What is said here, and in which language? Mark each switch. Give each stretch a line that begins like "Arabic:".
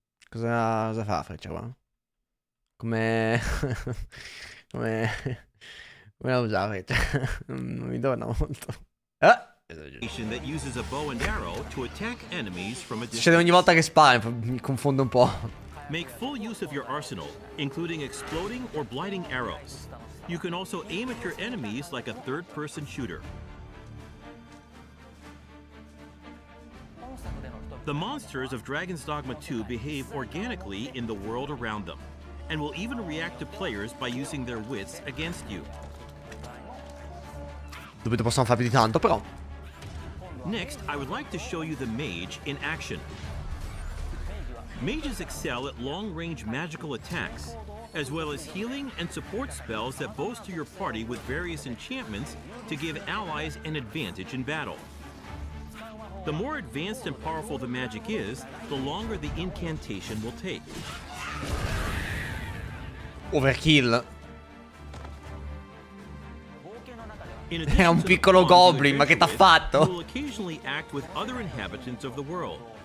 Italian: Cosa fa Freccia qua? Come... Come... Come la usa Freccia? Non mi torna molto. Ah!
English: That uses a bow and arrow to attack enemies from a distance.
Italian: Ogni volta che spara mi confondo un po'.
English: Make full use of your arsenal, including exploding or blighting arrows. You can also aim at your enemies like a third-person shooter. The monsters of Dragon's Dogma 2 behave organically in the world around them, and will even react to players by using their wits against you.
Italian: Dubito possiamo farvi di tanto, però.
English: Next, I would like to show you the mage in action. Mages excel at long-range magical attacks, as well as healing and support spells that bolster your party with various enchantments to give allies an advantage in battle. The more advanced and powerful the magic is, the longer the incantation will take. Overkill.
Italian: È un piccolo goblin, ma che t'ha fatto?
English: Will occasionally act with other inhabitants of the world.